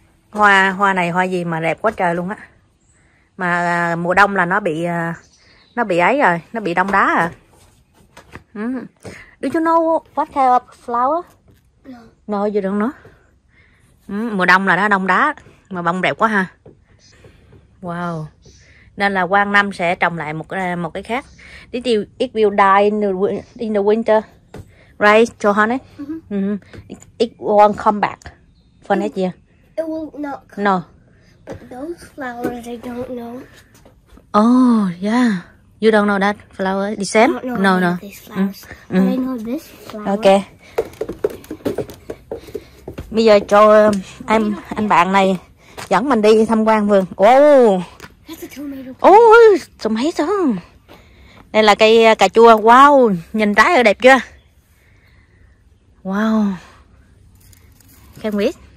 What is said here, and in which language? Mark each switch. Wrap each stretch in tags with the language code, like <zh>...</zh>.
<vi>Hoa này hoa gì mà đẹp quá trời luôn á. Mà mùa đông là nó bị ấy rồi, nó bị đông đá à.</vi> <en>Do you know what kind of flower? No. No, you don't know.</en> <vi>Mùa đông là nó đông đá mà bông đẹp quá ha. Wow. Nên là qua năm sẽ trồng lại một cái khác.</vi> <en>This is, it will die in the winter. Right, Johannes? Mm-hmm. Mm-hmm. It won't come back for next year. It will not come. No. But those flowers, I don't know. Oh, yeah. You don't know that flower? The same? I don't know any of these flowers. But I know this flower.</en> <vi>Okay. Bây giờ cho anh bạn này dẫn mình đi tham quan vườn. Oh.</vi> <en>That's a tomato. Oh, tomato.</en> <vi>Đây là cây cà chua. Wow, nhìn trái ở đẹp chưa? Wow.</vi> <en>Can we eat?</en>